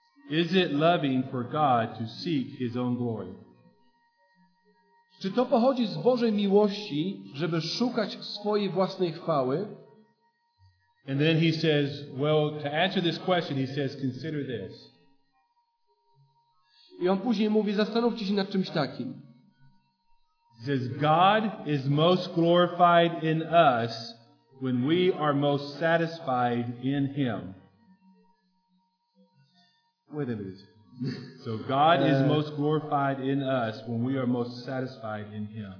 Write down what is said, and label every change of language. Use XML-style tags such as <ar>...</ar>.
<en>Is it loving for God to seek His own glory?</en> <pl>Czy to pochodzi z Bożej miłości, żeby szukać swojej własnej chwały?</pl> <en>And then he says, well, to answer this question, he says, consider this.</en> <pl>I on później mówi, zastanówcie się nad czymś takim.</pl> <en>He says, God is most glorified in us when we are most satisfied in Him. Wait a minute. So God is most glorified in us when we are most satisfied in Him.</en>